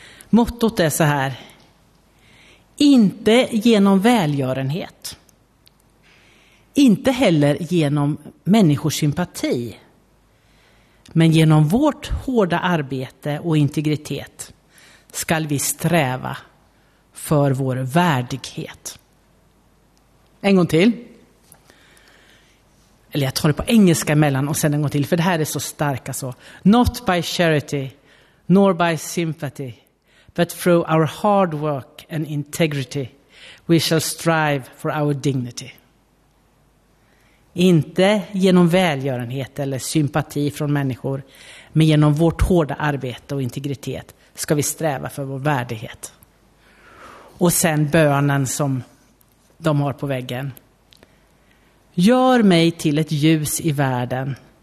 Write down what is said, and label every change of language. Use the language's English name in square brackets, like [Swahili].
[Swedish] Mottot är så här: inte genom välgörenhet, inte heller genom människors sympati, men genom vårt hårda arbete och integritet ska vi sträva för vår värdighet. En gång till. Eller jag tar det på engelska mellan och sen en gång till, för det här är så starka så. [English] Not by charity, nor by sympathy. But through our hard work and integrity we shall strive for our dignity. [Swedish] Inte genom välgörenhet eller sympati från människor, men genom vårt hårda arbete och integritet ska vi sträva för vår värdighet. Och sen bönen som de har på väggen: gör mig till ett ljus i världen.